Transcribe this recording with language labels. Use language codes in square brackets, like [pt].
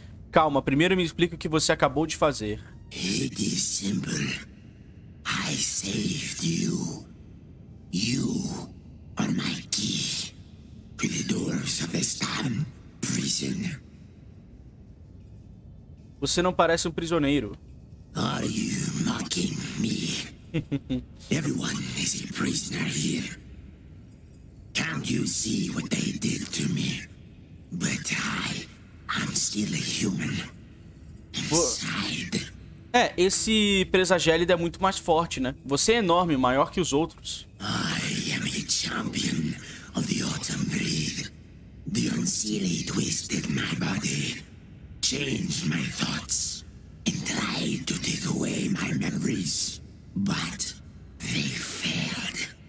[pt] Calma, primeiro me explica o que você acabou de fazer. [en] It is simple. I saved you. You are my key to the doors of the Storm Prison. [pt] Você não parece um prisioneiro. [en] Are you mocking me? Everyone is a prisoner here. Can't you see what they did to me? But I'm still a human. Inside. [pt] É, esse presa gélida é muito mais forte, né? Você é enorme, maior que os outros. [en] I am a champion of the autumn breed. The Unseelie twisted my body, changed my thoughts, and tried to take away my memories. But they failed.